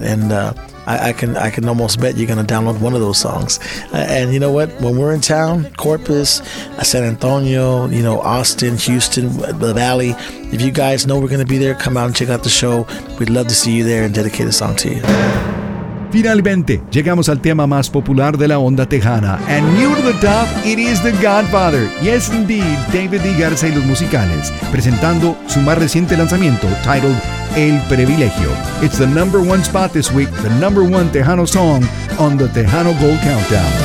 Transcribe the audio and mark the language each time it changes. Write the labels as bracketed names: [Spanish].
[English] And I can almost bet you're going to download one of those songs. And you know what? When we're in town, Corpus, San Antonio, you know, Austin, Houston, the Valley, if you guys know we're going to be there, come out and check out the show. We'd love to see you there and dedicate a song to you. [Spanish] Finalmente, llegamos al tema más popular de la onda tejana. [English] And new to the top, it is The Godfather. Yes, indeed, David D. [Spanish] Garza y Los Musicales, presentando su más reciente lanzamiento, [English] titled [Spanish] El Privilegio. [English] It's the number one spot this week, the number one Tejano song on the Tejano Gold Countdown.